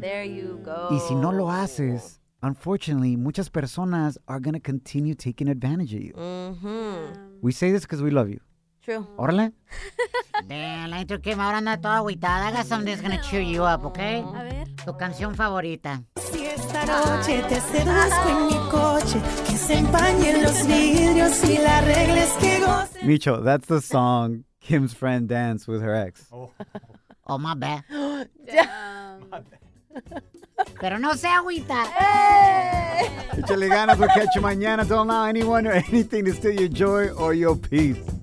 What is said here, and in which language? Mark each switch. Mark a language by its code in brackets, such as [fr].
[en] There you go. [es] Y si no lo haces... [en] Unfortunately, [es] muchas personas [en] are going to continue taking advantage of you. Mm-hmm. We say this because we love you. True. [es] Órale. [en] Damn, la intro came out on that [es] toda aguitada. [en] I got something that's going to cheer you up, okay? [es] A ver. Tu canción favorita. Si esta noche te seduzco en mi coche, que se empañen los vidrios y la regla es que goce. [en] Micho, that's the song Kim's friend danced with her ex. Oh, my bad. Damn. My bad. [es] Pero no se agüita. ¡Hey! Échale ganas, [en] we'll catch you mañana. Don't allow anyone or anything to steal your joy or your peace.